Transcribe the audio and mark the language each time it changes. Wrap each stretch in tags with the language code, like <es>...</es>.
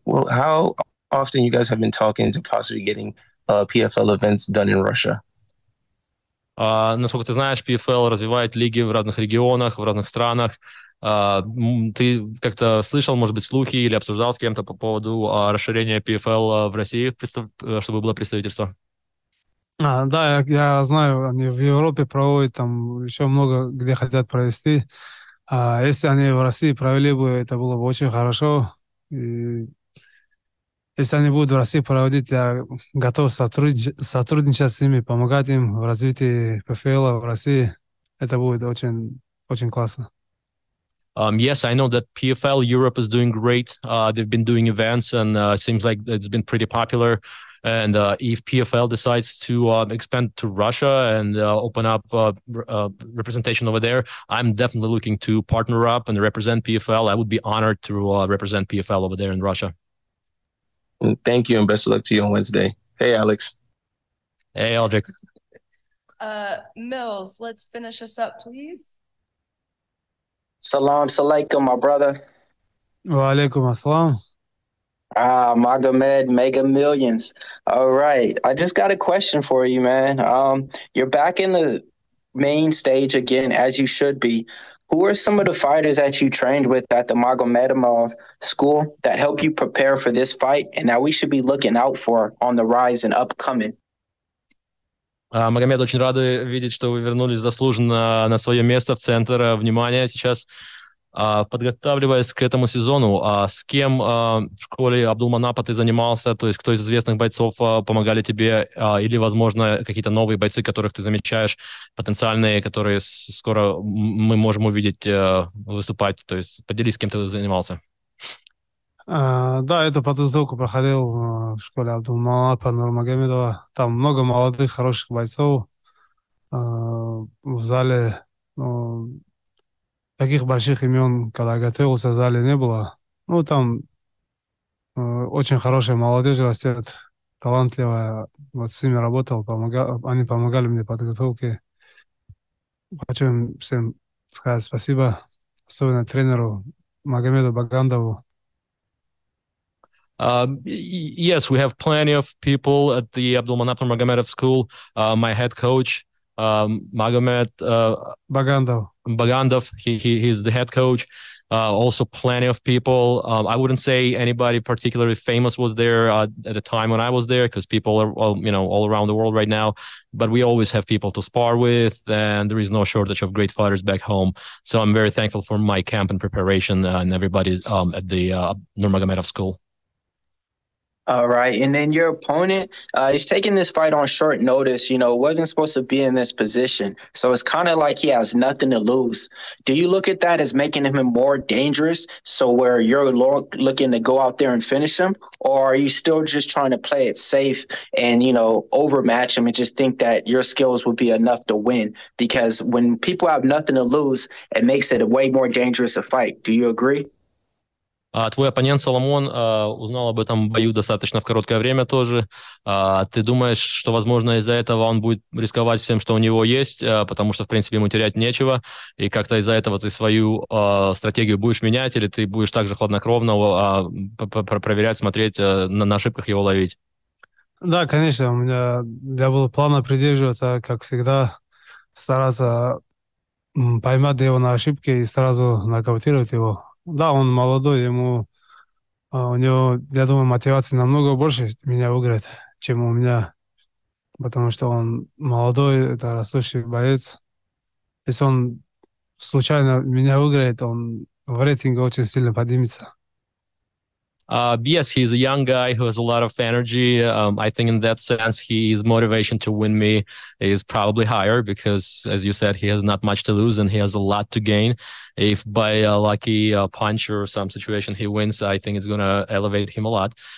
<en>How often you guys have been talking to possibly getting PFL events done in Russia?</en> <ru>Насколько ты знаешь, PFL развивает лиги в разных регионах, в разных странах. Ты как-то слышал, может быть, слухи или обсуждал с кем-то по поводу расширения PFL в России, чтобы было представительство? Да, я знаю, они в Европе проводят, там еще много где хотят провести. Если они в России провели бы, это было бы очень хорошо. И если они будут в России проводить, я готов сотрудничать с ними, помогать им в развитии PFL в России. Это будет очень, очень классно.</ru> <en>Yes, I know that PFL Europe is doing great. They've been doing events and seems like it's been pretty popular. And if PFL decides to expand to Russia and open up representation over there, I'm definitely looking to partner up and represent PFL. I would be honored to represent PFL over there in Russia. Thank you, and best of luck to you on Wednesday. Hey, Alex. Hey, Aldrich. Mills, let's finish us up, please.</en> <ar>Salam alaikum,</ar> <en>my brother.</en> <ar>Wa alaikum assalam.</ar> <en>Magomed, Mega Millions. All right, I just got a question for you, man. You're back in the main stage again, as you should be. Who are some of the fighters that you trained with at the Magomedkerimov school that helped you prepare for this fight and that we should be looking out for on the rise and upcoming?</en> <ru>Магомед, очень рады видеть, что вы вернулись заслуженно на свое место в центр внимания сейчас. Подготавливаясь к этому сезону, с кем в школе Абдулманапа ты занимался, то есть кто из известных бойцов помогали тебе, или, возможно, какие-то новые бойцы, которых ты замечаешь, потенциальные, которые скоро мы можем увидеть выступать, то есть поделись, с кем ты занимался. Да, эту подготовку проходил в школе Абдулманапа Нурмагомедова. Там много молодых, хороших бойцов в зале. Таких больших имен, когда готовился в зале, не было. Ну, там очень хорошая молодежь растет, талантливая. Вот с ними работал, они помогали мне в подготовке. Хочу им всем сказать спасибо, особенно тренеру Магомеду Багандову.</ru> <en>Yes, we have plenty of people at the Abdulmanap Magomedov School. My head coach, Magomed... Багандов. Багандов, he's the head coach. Also plenty of people. I wouldn't say anybody particularly famous was there at the time when I was there, because people are all around the world right now. But we always have people to spar with, and there is no shortage of great fighters back home. So I'm very thankful for my camp and preparation and everybody at the Nurmagomedov school. All right. And then your opponent, he's taking this fight on short notice, wasn't supposed to be in this position. So it's kind of like he has nothing to lose. Do you look at that as making him more dangerous? So where you're looking to go out there and finish him, or are you still just trying to play it safe and, overmatch him and just think that your skills would be enough to win? Because when people have nothing to lose, it makes it a way more dangerous a fight. Do you agree?</en> <ru>Твой оппонент Соломон узнал об этом бою достаточно в короткое время тоже. Ты думаешь, что, возможно, из-за этого он будет рисковать всем, что у него есть, потому что, в принципе, ему терять нечего, и как-то из-за этого ты свою стратегию будешь менять, или ты будешь так же хладнокровно проверять, смотреть, на ошибках его ловить? Да, конечно, я буду плавно придерживаться, как всегда, стараться поймать его на ошибке и сразу нокаутировать его. Да, он молодой, у него, я думаю, мотивации намного больше меня выиграть, чем у меня, потому что он молодой, это растущий боец. Если он случайно меня выиграет, он в рейтинге очень сильно поднимется.</ru> <en>Yes, he's a young guy who has a lot of energy. I think in that sense, his motivation to win me is probably higher because, as you said, he has not much to lose and he has a lot to gain. If by a lucky punch or some situation he wins, I think it's going to elevate him a lot.</en>